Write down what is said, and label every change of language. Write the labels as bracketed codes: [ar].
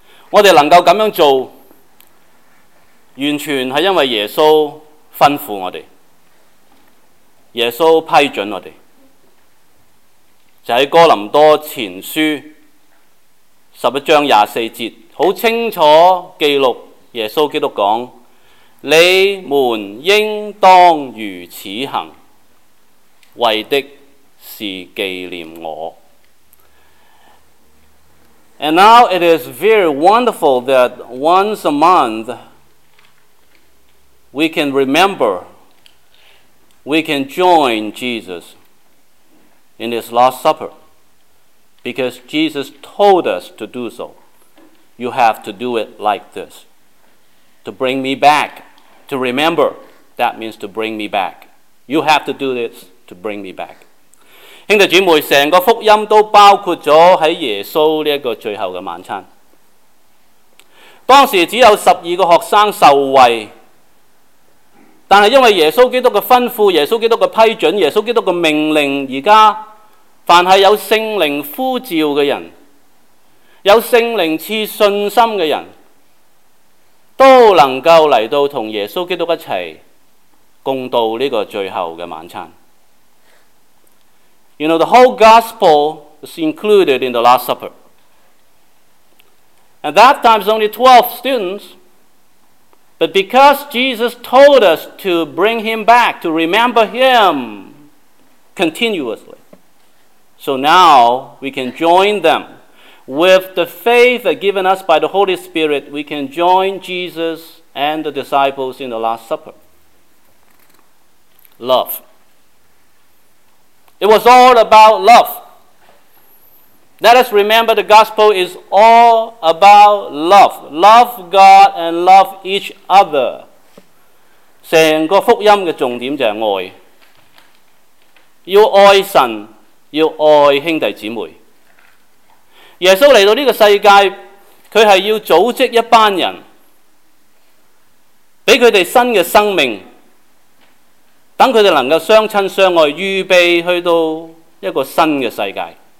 [zh] 我们能够这样做，完全是因为耶稣吩咐我们，耶稣批准我们，就在哥林多前书十一章二十四节，很清楚记录耶稣基督说：你们应当如此行，为的是纪念我。 [en] And now it is very wonderful that once a month we can remember, we can join Jesus in his Last Supper, because Jesus told us to do so. You have to do it like this, to bring me back, to remember. That means to bring me back. You have to do this to bring me back. [zh] 兄弟姐妹，整个福音都包括了在耶稣这个最后的晚餐。当时只有十二个学生受惠，但是因为耶稣基督的吩咐、耶稣基督的批准、耶稣基督的命令，现在凡是有圣灵呼召的人，有圣灵赐信心的人，都能够来到同耶稣基督一起共度这个最后的晚餐。 [en] You know, the whole gospel is included in the Last Supper. And that time is only 12 students. But because Jesus told us to bring him back, to remember him continuously, so now we can join them. With the faith given us by the Holy Spirit, we can join Jesus and the disciples in the Last Supper. Love. It was all about love. Let us remember the gospel is all about love. Love God and love each other. [zh] 整个福音的重点就是爱。要爱神，要爱兄弟姐妹。耶稣来到这个世界，他是要组织一班人，给他们新的生命，让他们能够相亲相爱，预备去到一个新的世界。